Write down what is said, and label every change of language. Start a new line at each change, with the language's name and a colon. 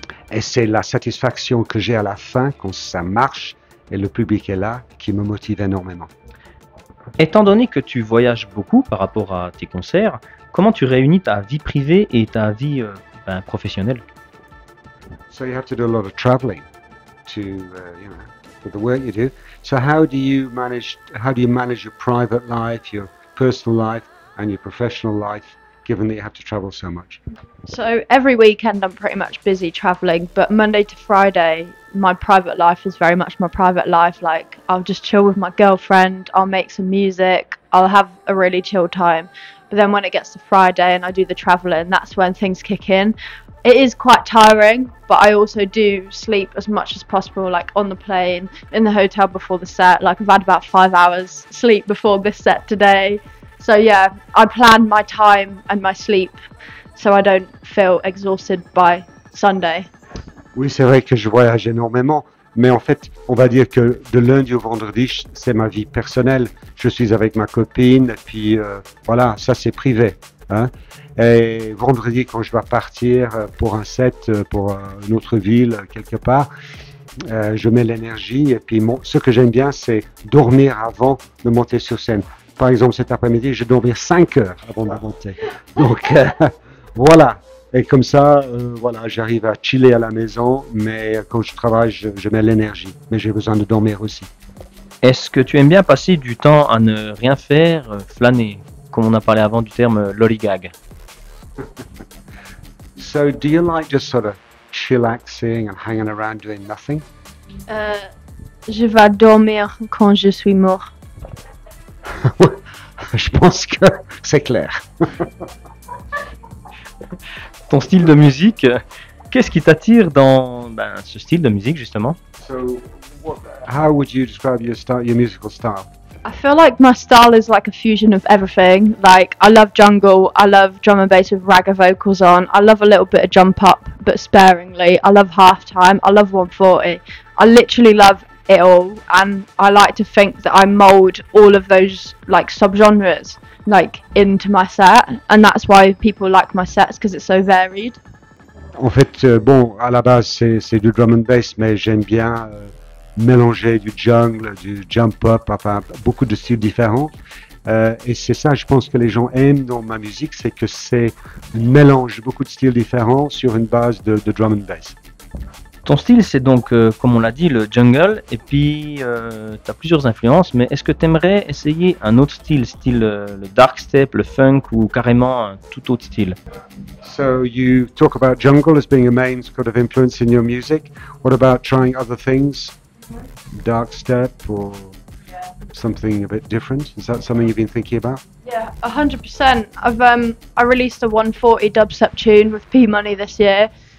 French: Et c'est la satisfaction que j'ai à la fin, quand ça marche et le public est là, qui me motive énormément. Étant donné que tu voyages beaucoup par rapport à tes concerts, comment tu réunis ta vie privée et ta vie professionnelle?
English: So you have to do a lot of traveling to for the work you do. So how do you manage your private life, your personal life and your professional life, given that you have to travel so much? So every weekend I'm pretty much busy traveling, but Monday to Friday my private life is very much my private life. Like, I'll just chill with my girlfriend, I'll make some music, I'll have a really chill time. But then when it gets to Friday and I do the traveling, that's when things kick in. It is quite tiring, but I also do sleep as much as possible, like on the plane, in the hotel before the set. Like, I've had about 5 hours sleep before this set today. So yeah, I plan my time and my sleep so I don't feel exhausted by Sunday.
French: Oui, c'est vrai que je voyage énormément, mais en fait, on va dire que de lundi au vendredi, c'est ma vie personnelle. Je suis avec ma copine, et puis voilà, ça c'est privé. Hein? Et vendredi, quand je vais partir pour un set, pour une autre ville, quelque part, je mets l'énergie. Et puis ce que j'aime bien, c'est dormir avant de monter sur scène. Par exemple, cet après-midi, j'ai dormi 5 heures avant de monter. Donc voilà. Et comme ça, voilà, j'arrive à chiller à la maison, mais quand je travaille, je mets l'énergie. Mais j'ai besoin de dormir aussi. Est-ce que tu aimes bien passer du temps à ne rien faire, flâner, comme on a parlé avant du terme lollygag?
English: So, do you like just sort of chillaxing and hanging around doing nothing?
French: Je vais dormir quand je suis mort. Je pense que c'est clair. Ton style de musique, qu'est-ce qui t'attire dans ce style de musique justement?
English: So, how would you describe your musical style? I feel like my style is like a fusion of everything. Like, I love jungle, I love drum and bass with ragga vocals on, I love a little bit of jump up, but sparingly. I love halftime, I love 140. I literally love it all, and I like to think that I mold all of those like subgenres like into my set, and that's why people like my sets, because it's so varied.
French: En fait, à la base, c'est du drum and bass, mais j'aime bien mélanger du jungle, du jump up, enfin beaucoup de styles différents. Et c'est ça, je pense, que les gens aiment dans ma musique, c'est que c'est un mélange de beaucoup de styles différents sur une base de drum and bass. Ton style, c'est donc, comme on l'a dit, le jungle, et puis tu as plusieurs influences, mais est-ce que tu aimerais essayer un autre style, le dark step, le funk, ou carrément un tout autre style?
English: So you talk about jungle as being a main sort of influence in your music. What about trying other things? Dark step or something a bit different? Is that something you've been thinking about? Yeah, 100%. I released a 140 dubstep tune with P-Money this year.